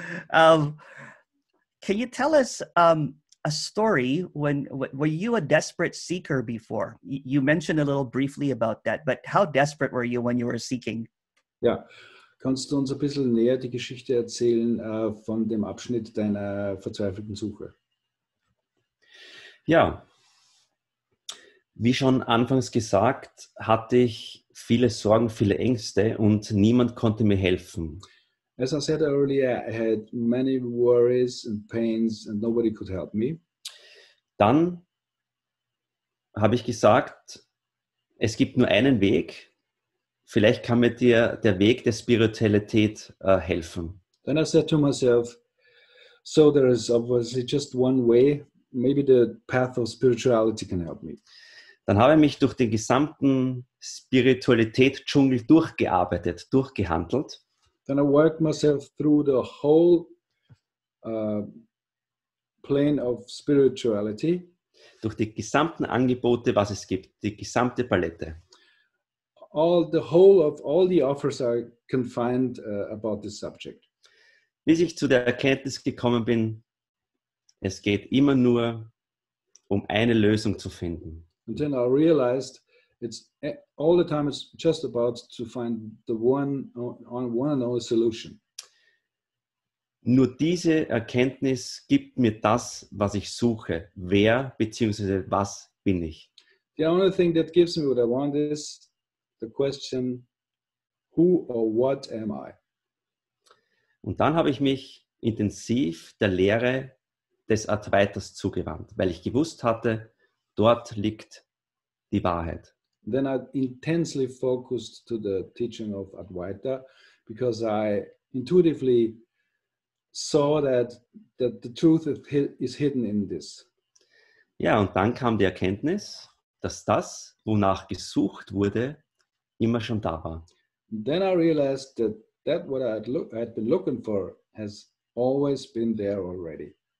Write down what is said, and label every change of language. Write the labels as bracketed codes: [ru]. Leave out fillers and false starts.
[en] Can you tell us a story were you a desperate seeker before? You mentioned a little briefly about that, but how desperate were you when you were seeking? [de] Ja, kannst du uns ein bisschen näher die Geschichte erzählen von dem Abschnitt deiner verzweifelten Suche? Ja, wie schon anfangs gesagt, hatte ich viele Sorgen, viele Ängste und niemand konnte mir helfen. [en] As I said earlier, I had many worries and pains and nobody could help me. [de] Dann habe ich gesagt, es gibt nur einen Weg. Vielleicht kann mir dir der Weg der Spiritualität helfen. [en] Then I said to myself, so there is obviously just one way. Maybe the path of spirituality can help me. [de] Dann habe ich mich durch den gesamten Spiritualität-Dschungel durchgearbeitet, durchgehandelt. [en] Then I worked myself through the whole plane of spirituality. [de] Durch die gesamten Angebote, was es gibt, die gesamte Palette. [en] All the offers I can find about this subject. [de] Bis ich zu der Erkenntnis gekommen bin, es geht immer nur um eine Lösung zu finden. [en] And then I realized it's all the time it's just about to find the one and only solution. [de] Nur diese Erkenntnis gibt mir das, was ich suche. Wer beziehungsweise was bin ich? [en] The only thing that gives me what I want is the question, who or what am I? [de] Und dann habe ich mich intensiv der Lehre des Advaitas zugewandt, weil ich gewusst hatte, dort liegt die Wahrheit. [en] Then I intensely focused to the teaching of Advaita, because I intuitively saw that the truth is hidden in this. [de] Ja, und dann kam die Erkenntnis, dass das, wonach gesucht wurde, immer schon da war. [en] Then I realized that what I had been looking for has always been there already.